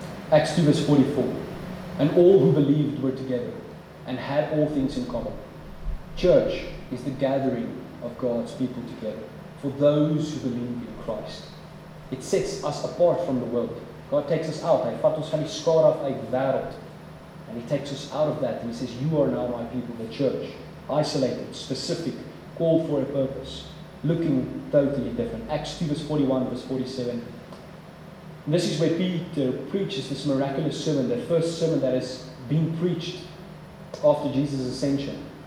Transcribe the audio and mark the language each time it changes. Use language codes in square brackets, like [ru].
[en] Acts 2 verse 44, and all who believed were together and had all things in common. Church is the gathering of God's people together for those who believe in Christ. It sets us apart from the world. God takes us out. [af] Hy vat ons van die skare af uit wêreld. [en] And he takes us out of that. And he says, you are now my people, the church. Isolated, specific, called for a purpose. Looking totally different. Acts 2 verse 41 verse 47. And this is where Peter preaches this miraculous sermon. The first sermon that has been preached after Jesus' ascension.